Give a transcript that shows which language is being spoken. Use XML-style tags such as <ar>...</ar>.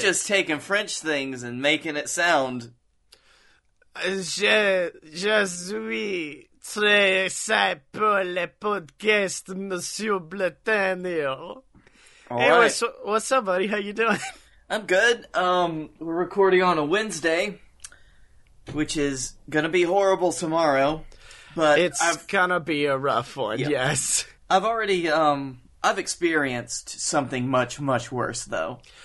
<en>Just taking French things and making it sound.</en> <fr>Je suis très excité pour le podcast, Monsieur Blatanier.</fr> <en>Hey, right. What's up, buddy? How you doing? I'm good. We're recording on a Wednesday, which is going to be horrible tomorrow, but it's going to be a rough one, yep. Yes. I've already, I've experienced something much, much worse, though.</en>